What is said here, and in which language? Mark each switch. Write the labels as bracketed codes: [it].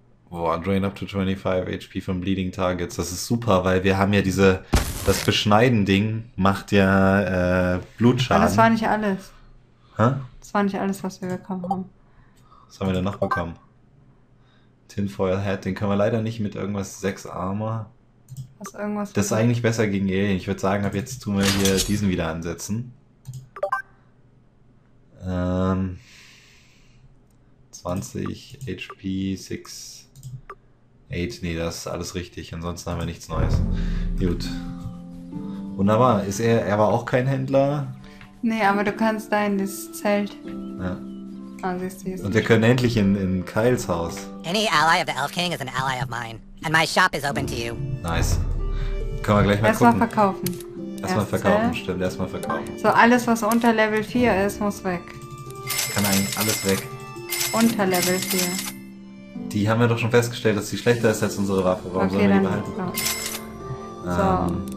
[en] Boah, drain up to 25 HP from bleeding targets. [de] Das ist super, weil wir haben ja diese... Das Beschneiden-Ding macht ja Blutschaden. Aber das war nicht alles. Hä? Das war nicht alles, was wir bekommen haben. Was haben wir denn noch bekommen? Tinfoil Hat, den können wir leider nicht mit irgendwas 6 Armor. Was irgendwas? Das ist eigentlich besser gegen Alien. Ich würde sagen, ab jetzt tun wir hier diesen wieder ansetzen. Ähm, 20 HP, 6... 8, nee, das ist alles richtig. Ansonsten haben wir nichts Neues. Gut. Wunderbar. Ist er, er war auch kein Händler? Nee, aber du kannst da in das Zelt. Ja. Oh, siehst du, und wir können endlich in Kyles Haus. [en] Any ally of the Elf King is an ally of mine. And my shop is open to you. Nice. [de] Können wir gleich mal gucken. Erstmal verkaufen. Erstmal verkaufen, stimmt. Erstmal verkaufen. So, alles was unter Level 4 ist, muss weg. Kann eigentlich alles weg. Unter Level 4. Die haben wir doch schon festgestellt, dass sie schlechter ist als unsere Waffe. Warum sollen wir die behalten?